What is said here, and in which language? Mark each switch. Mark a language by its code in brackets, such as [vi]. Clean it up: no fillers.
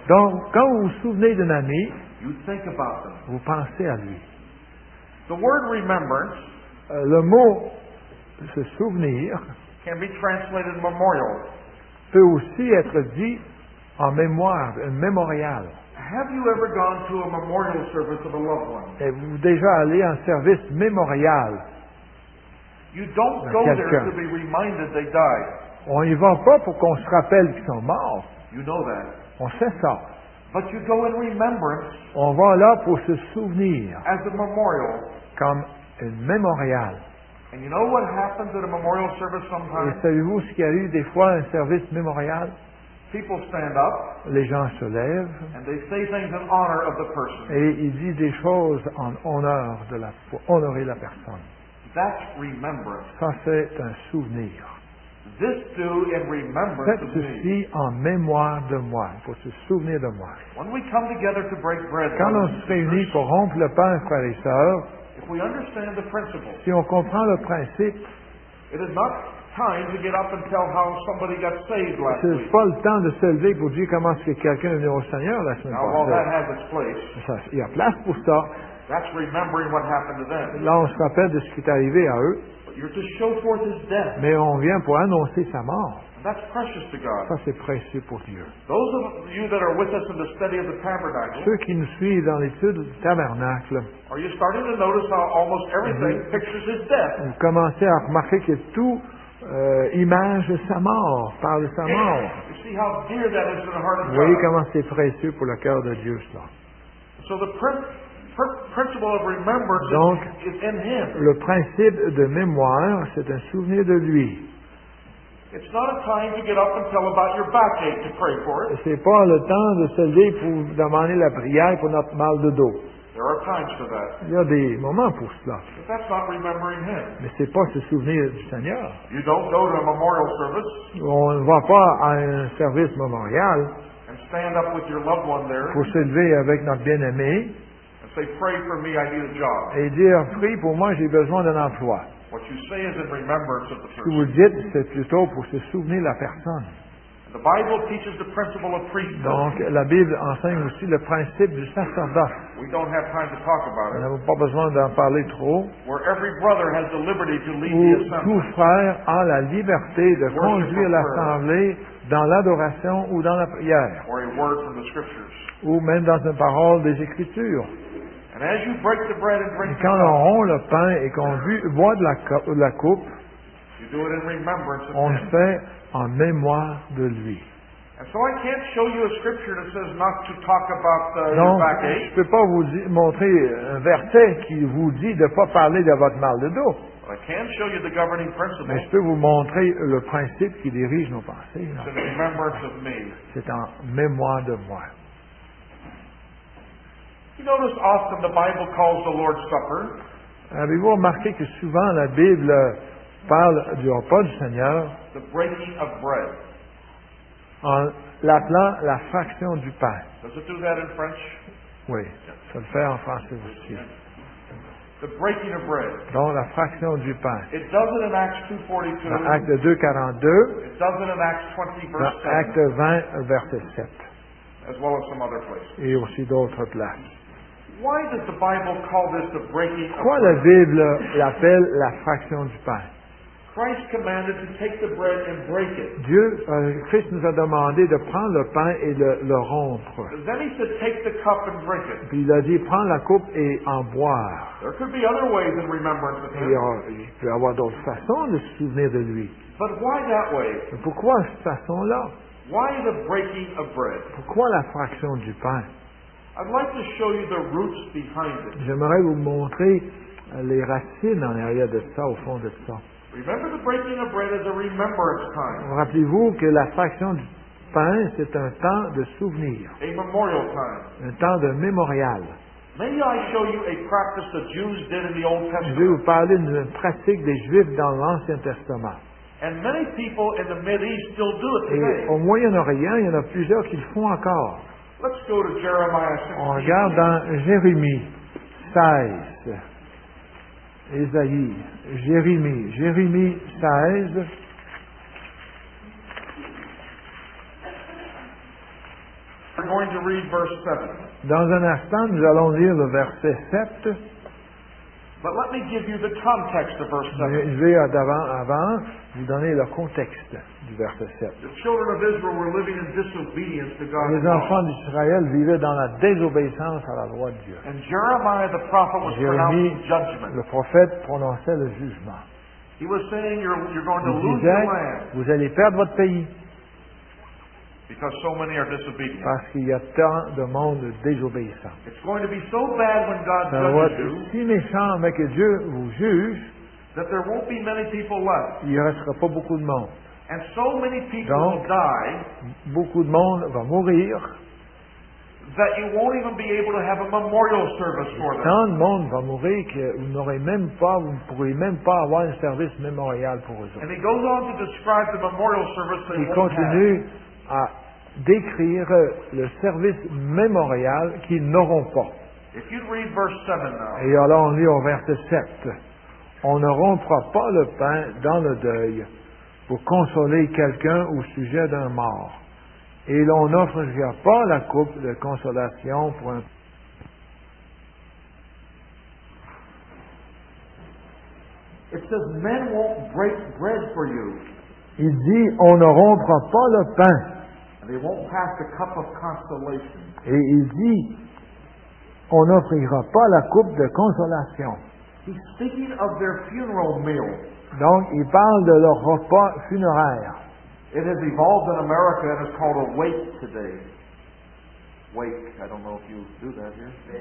[fr] donc, quand vous vous souvenez d'un ami, [en] you think about them. [fr] Vous pensez à lui. [en] The word remembrance, [fr] le mot se souvenir [en] can be translated memorial. [fr] Peut aussi être dit en mémoire, un mémorial. [en] Have you ever gone to a memorial service of a loved one? [fr] Êtes-vous déjà allé à un service mémorial? [en] You don't go there to be reminded they died. [fr] On n'y va pas pour qu'on se rappelle qu'ils sont morts. [en] You know that. [fr] On sait ça. [en] But you go in remembrance. [fr] On va là pour se souvenir. [en] As a memorial. [fr] Comme un mémorial. [en] And you know what happens at a memorial service sometimes? [fr] Et savez-vous ce qui arrive des fois à un service mémorial? [en] People stand up. [fr] Les gens se lèvent. [en] And they say things in honor of the person. [fr] Et ils disent des choses en honneur de la, pour honorer la personne. [en] That's remembrance. [fr] Ça, c'est un souvenir. [en] This do in remembrance of me. [fr] Faites ceci en mémoire de moi, pour se souvenir de moi. [en] When we come together to break bread, [fr] quand on se réunit pour rompre le pain, frères et sœurs, [en] if we understand the principle, [fr] si on comprend le principe, [en] it is not time to get up and tell how somebody got saved last week. [fr] Ce n'est pas le temps de se lever pour dire comment est-ce que quelqu'un est venu au Seigneur la semaine passée. [en] Now, while that has its place, [fr] ça, il y a place pour ça. [en] That's remembering what happened to them. [fr] Là, on se rappelle de ce qui est arrivé à eux. [en] You're to show forth his death. [fr] Mais on vient pour annoncer sa mort. [en] And that's precious to God. [fr] Ça, c'est précieux pour Dieu. [en] Those of you that are with us in the study of the tabernacle, [fr] ceux qui nous suivent dans l'étude du tabernacle, [en] are you starting to notice how almost everything pictures his death? [fr] Vous commencez à remarquer que tout image de sa mort, parle de sa mort. [en] You see how dear that is in the heart of God. [fr] Vous voyez comment c'est précieux pour le cœur de Dieu, cela. [en] So the principle of remembrance [fr] donc, [en] is in him. [fr] Le principe de mémoire, c'est un souvenir de lui. [en] It's not a time to get up and tell about your backache to pray for it. [fr] C'est pas le temps de se lever pour demander la prière pour notre mal de dos. [en] There are times for that. [fr] Il y a des moments pour cela. [en] But that's not remembering him. [fr] Mais c'est pas se souvenir du Seigneur. [en] You don't go to a memorial service. [fr] On ne va pas à un service mémorial. [en] And stand up with your loved one there. [fr] Pour se lever avec notre bien-aimé. [en] Say, pray for me, I need a job. [fr] Et dire, prie pour moi, j'ai besoin d'un emploi. [en] What you say is in remembrance of the person. [fr] Ce que vous dites, c'est plutôt pour se souvenir de la personne. [en] The Bible teaches the principle of priesthood. [fr] Donc, la Bible enseigne aussi le principe du sacerdoce. [en] We don't have time to talk about it. [fr] Nous n'avons pas besoin d'en parler trop. [en] Where every brother has the liberty to lead [fr] où [en] the assembly. [fr] Tout frère a la liberté de conduire l'assemblée dans l'adoration ou dans la prière. [en] Or a word from the scriptures. [fr] Ou même dans une parole des Écritures. [en] And as you break the bread and drink, [fr] et quand on rompt le pain et qu'on boit de la coupe, [en] you do it in remembrance of [fr] on le fait en mémoire de lui. [en] And so I can't show you a scripture that says not to talk about the backache. [fr] Donc, je ne peux pas vous montrer un verset qui vous dit de ne pas parler de votre mal de dos. [en] But I can show you the governing principle. [fr] Mais je peux vous montrer le principe qui dirige nos pensées. [en] It's in remembrance of me. [fr] C'est en mémoire de moi. [en] You notice often the Bible calls the Lord's Supper. [fr] Avez-vous remarqué que souvent la Bible parle du repas du Seigneur? [en] The breaking of bread. [fr] En l'appelant la fraction du pain. [en] Does it do that in French? [fr] Oui, [en] yeah. [fr] Ça le fait en français aussi. [en] Yeah. The breaking of bread. [fr] Donc la fraction du pain. [en] It does it in Acts 2:42. [fr] Dans Actes 2:42. [en] It does it in Acts 20, verse 7. [fr] Dans Actes 20, verset 7. [en] As well as some other places. [fr] Et aussi d'autres places. [en] Why does the Bible call this the breaking of [fr] bread? La Bible l'appelle la fraction du pain? [en] Christ commanded to take the bread and break it. [fr] Dieu, Christ nous a demandé de prendre le pain et le rompre. [en] Then he said, take the cup and drink it. [fr] Puis il a dit, prends la coupe et en boire. [en] There could be other ways in remembrance of him. [fr] Il peut y avoir d'autres façons de se souvenir de lui. [en] But why that way? [fr] Pourquoi cette façon-là? [en] Why the breaking of bread? [fr] Pourquoi la fraction du pain? [en] I'd like to show you the roots behind it. [fr] J'aimerais vous montrer les racines en arrière de ça, au fond de ça. [en] Remember the breaking of bread is a remembrance time. [fr] Rappelez-vous que la fraction du pain, c'est un temps de souvenir. [en] A memorial time. [fr] Un temps de mémorial. [en] May I show you a practice the Jews did in the Old Testament? [fr] Je vais vous parler d'une pratique des Juifs dans l'Ancien Testament. [en] And many people in the Middle East still do it today. [fr] Et au Moyen-Orient, il y en a plusieurs qui le font encore. [en] Let's go to Jeremiah 16. [fr] On regarde dans Jérémie 16. Ésaïe, Jérémie, Jérémie 16. [en] We're going to read verse 7. [fr] Dans un instant, nous allons lire le verset 7. [en] But let me give you the context of verse 7. [fr] Je vais avant vous donner le contexte du verset 7. [en] The children of Israel were living in disobedience to God. [fr] Les enfants d'Israël vivaient dans la désobéissance à la loi de Dieu. [en] And Jeremiah the prophet was pronouncing judgment. [fr] Le prophète prononçait le jugement. [en] He was saying you're going to lose your land. [fr] Vous allez perdre votre pays. [en] Because so many are disobedient. [fr] Parce qu'il y a tant de monde désobéissant. [en] It's going to be so bad when God judges you. [fr] Ça va être si méchant mais que Dieu vous juge. [en] That there won't be many people left. [fr] Il ne restera pas beaucoup de monde. [en] And so many people [fr] Donc, [en] will die. [fr] Beaucoup de monde va mourir. [en] That you won't even be able to have a memorial service for them. [fr] Tant de monde va mourir que vous ne pourrez même pas avoir un service mémorial pour eux. [en] And he goes on to describe the memorial service that he continue. [fr] À décrire le service mémorial qu'ils n'auront pas. [en] If you'd read verse 7 now. [fr] Et alors on lit au verset 7. On ne rompra pas le pain dans le deuil pour consoler quelqu'un au sujet d'un mort. Et l'on n'offrira pas la coupe de consolation pour un. [en] It says men won't break bread for you. [fr] Il dit, on ne rompra pas le pain. [en] And they won't pass the cup of consolation. [fr] Et il dit, on n'offrira pas la coupe de consolation. [en] He's speaking of their funeral meal. [fr] Donc, il parle de leur repas funéraire. [en] It has evolved in America and is called a wake today. Wake, I don't know if you do that here.